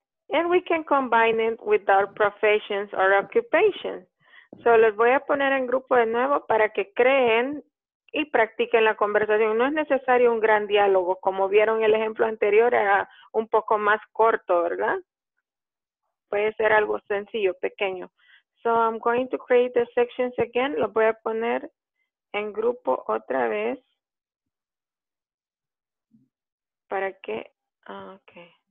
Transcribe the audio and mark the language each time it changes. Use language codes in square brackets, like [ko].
[en] And we can combine it with our professions or occupations. [es] So, los voy a poner en grupo de nuevo para que creen y practiquen la conversación. No es necesario un gran diálogo. Como vieron el ejemplo anterior, era un poco más corto, ¿verdad? Puede ser algo sencillo, pequeño. [en] So, I'm going to create the sections again. [es] Los voy a poner en grupo otra vez. ¿Para qué? Ah, ok.